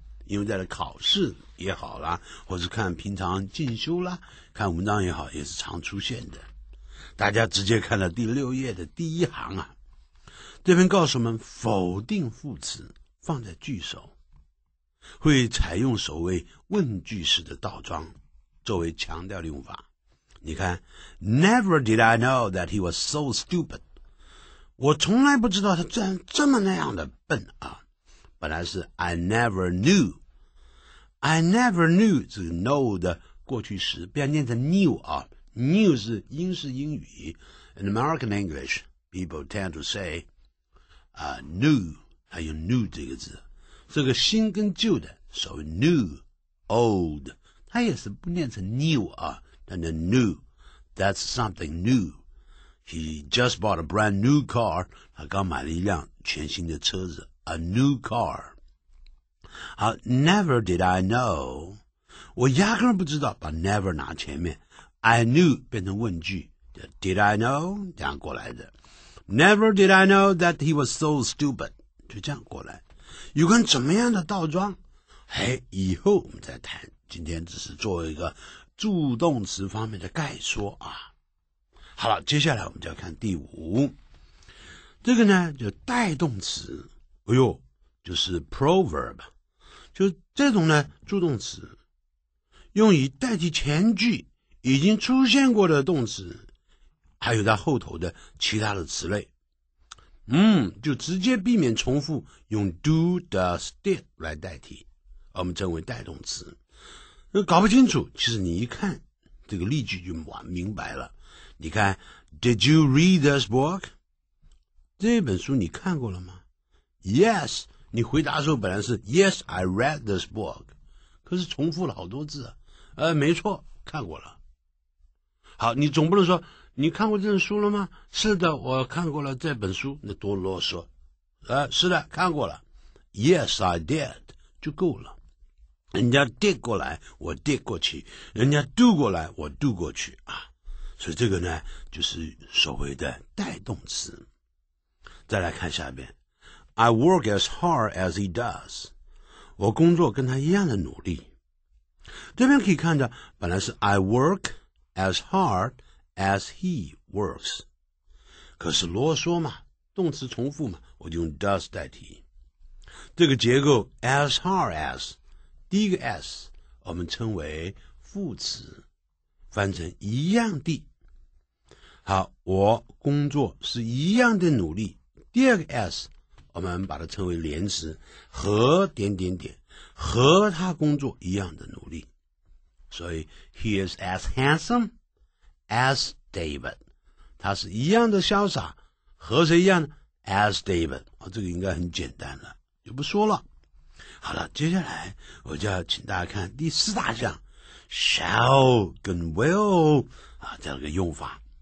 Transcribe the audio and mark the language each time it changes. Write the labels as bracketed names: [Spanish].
[Chinese] 因为在这考试也好啦，或是看平常进修啦，看文章也好，也是常出现的。大家直接看了第六页的第一行啊，这边告诉我们否定副词放在句首，会采用所谓问句式的倒装作为强调的用法。你看 [English] Never did I know that he was so stupid， [Chinese] 我从来不知道他这么那样的笨啊。本来是 [English] I never knew， I never knew [Chinese] 这个 know 的过去时不要念成 knew 啊， knew 是英式英语。 [English] In American English people tend to say knew， [Chinese] 还有 [English] knew [Chinese] 这个字，这个新跟旧的所谓 [English] new old [Chinese] 它也是不念成 [English] new [Chinese] 啊，但是 [English] new， that's something new， he just bought a brand new car， [Chinese] 他刚买了一辆全新的车子， [English] a new car。 [Chinese] 好， [English] never did I know， [Chinese] 我压根不知道，把 never 拿前面， [English] I knew [Chinese] 变成问句， [English] did I know [Chinese] 这样过来的。 [English] Never did I know that he was so stupid， [Chinese] 就这样过来。有关怎么样的倒装，嘿，以后我们再谈，今天只是做一个助动词方面的概说啊。好了，接下来我们就要看第五，这个呢就带动词，哎呦，就是 proverb， 就这种呢助动词用以代替前句已经出现过的动词还有它后头的其他的词类，就直接避免重复，用 do, does, did 来代替，我们称为带动词。搞不清楚，其实你一看这个例句就明白了。 [English] 你看 Did you read this book? [Chinese] 这本书你看过了吗？ Yes， 你回答的时候本来是 [English] Yes, I read this book， [Chinese] 可是重复了好多字，没错，看过了。好，你总不能说你看过这本书了吗？是的，我看过了这本书。那多啰嗦。是的，看过了。 [English] Yes, I did， 就够了。 [Chinese] 人家 did 过来，我 did 过去；人家 do 过来，我 do 过去啊。所以这个呢，就是所谓的带动词。 [English] 再来看下边 ，I work as hard as he does， [Chinese] 我工作跟他一样的努力。这边可以看到，本来是 [English] I work as hard。 As he works， [Chinese] 可是啰嗦嘛，动词重复嘛，我就用 does 代替。这个结构 [English] as hard as， [Chinese] 第一个 as 我们称为副词，翻成一样的。好，我工作是一样的努力。第二个 as 我们把它称为连词，和点点点，和他工作一样的努力。 [English] 所以 he is as handsome。 As David， [Chinese] 他是一样的潇洒，和谁一样呢 ？As David，、这个应该很简单了，就不说了。好了，接下来我就要请大家看第四大项 ，shall 跟 will 啊这样一个用法。